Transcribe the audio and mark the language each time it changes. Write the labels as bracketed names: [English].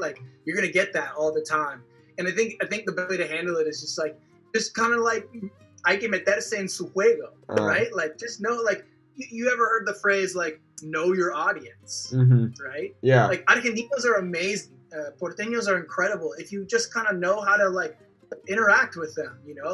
[English] Like you're gonna get that all the time, and I think the best way to handle it is just kind of like. [Spanish] Hay que meterse en su juego, [English] right? Like, just know, like, you ever heard the phrase, like, know your audience, mm-hmm. right? Yeah. Like, Argentinos are amazing. Porteños are incredible. If you just kind of know how to, like, interact with them, you know?